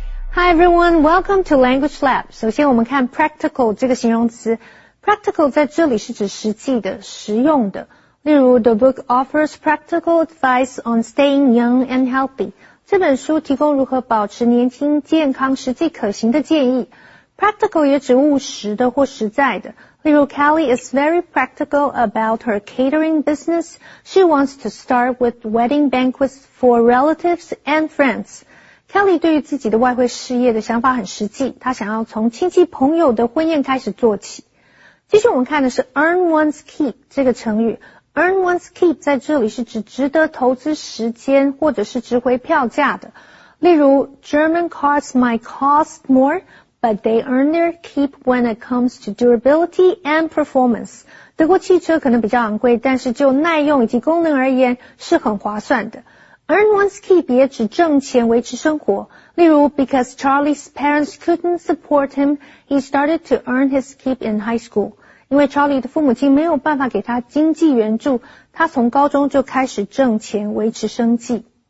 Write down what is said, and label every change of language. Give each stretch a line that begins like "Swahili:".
English: Hi everyone, welcome to Language Lab.
Chinese: 首先我们看 practical 这个形容词。 Practical 在这里是指实际的、实用的。例如
English: ,The book offers practical advice on staying young and healthy.
Chinese: 这本书提供如何保持年轻、健康、实际可行的建议。 Practical 也指务实的或实在的。例如
English: ,Kelly is very practical about her catering business. She wants to start with wedding banquets for relatives and friends.
Chinese: Kelly 对于自己的外汇事业的想法很实际，她想要从亲戚朋友的婚宴开始做起。继续我们看的是 earn one's keep 这个成语。earn one's keep 在这里是指值得投资时间或者是值回票价的。例如
English: German cars might cost more, but they earn their keep when it comes to durability and performance.
Chinese: 德国汽车可能比较昂贵，但是就耐用以及功能而言是很划算的。
English: Earn one's keep
Chinese: 也指挣钱维持生活。例如
English: ,because Charlie's parents couldn't support him, he started to earn his keep in high school.
Chinese: 因为 Charlie 的父母亲没有办法给他经济援助，他从高中就开始挣钱维持生计。